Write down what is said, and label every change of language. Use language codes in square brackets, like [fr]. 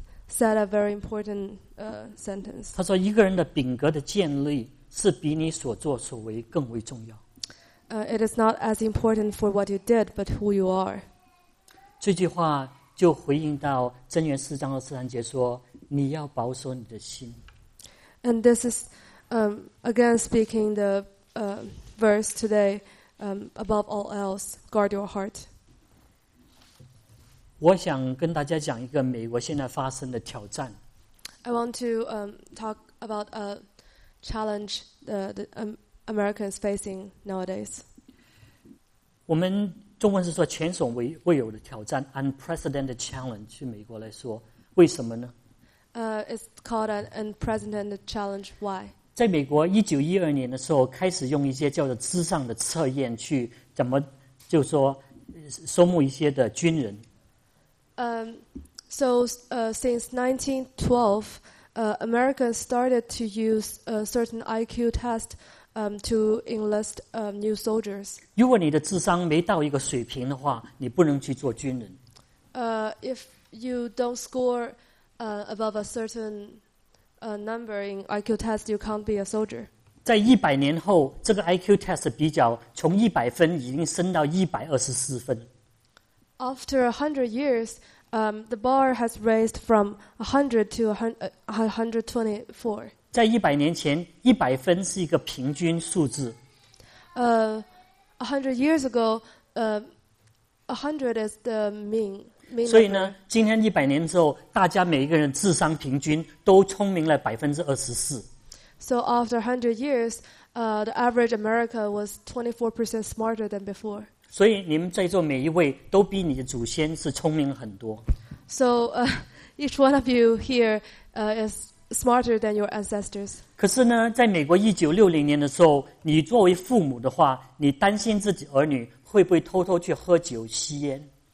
[en] Said a very important sentence. [zh] 他说一个人的品格的建立是比你所作所为更为重要。 [en] It is not as important for what you did, but who you are. [zh] 这句话就回应到箴言四章二十三节说，你要保守你的心。 [en] And this is again speaking the verse today, above all else, guard your heart. [zh] 我想跟大家讲一个美国现在发生的挑战。 [en] I want to talk about a challenge the Americans facing nowadays. [zh] 我们中文是说前所未有的挑战 ， [en] unprecedented challenge。 [zh] 对美国来说，为什么呢 [en] ？It's called an unprecedented challenge. Why? [zh] 在美国1912年的时候，开始用一些叫做智商的测验去怎么就是说收募一些的军人。 [en] Since 1912, Americans started to use a certain IQ test to enlist new soldiers. [zh] 如果你的智商没到一个水平的话，你不能去做军人。 [en] If you don't score above a certain number in IQ test, you can't be a soldier. [zh] 在100年后，这个 IQ test 比较从100分已经升到124分。 [en] After 100 years, the bar has raised from 100 to 124. [zh] 在一百年前，一百分是一个平均数字。 [en] 100 years ago, a hundred is the mean. [zh] 所以呢，今天一百年之后，大家每一个人智商平均都聪明了24%。 [en] So after 100 years, the average American was 24% smarter than before. [zh] 所以你们在座每一位都比你的祖先是聪明很多。 [en] So, each one of you here, is smarter than your ancestors. [zh] 可是呢，在美国1960年的时候，你作为父母的话，你担心自己儿女会不会偷偷去喝酒吸烟？